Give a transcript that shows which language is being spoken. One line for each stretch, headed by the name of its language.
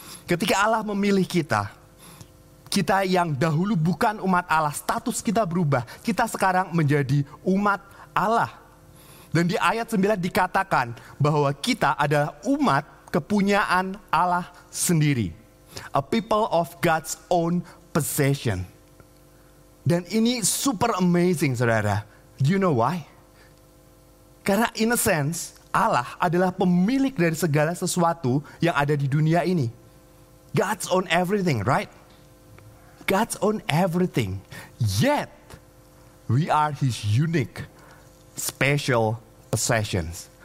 Indonesian: Ketika Allah memilih kita, kita yang dahulu bukan umat Allah, status kita berubah. Kita sekarang menjadi umat Allah. Dan di ayat 9 dikatakan bahwa kita adalah umat kepunyaan Allah sendiri.
English: A people of God's own possession.
Indonesian: Dan ini super amazing, saudara.
English: Do you know why?
Indonesian: Karena
English: in a sense,
Indonesian: Allah adalah pemilik dari segala sesuatu yang ada di dunia ini.
English: God's own everything, right? God's own everything. Yet, we are His unique, special possessions.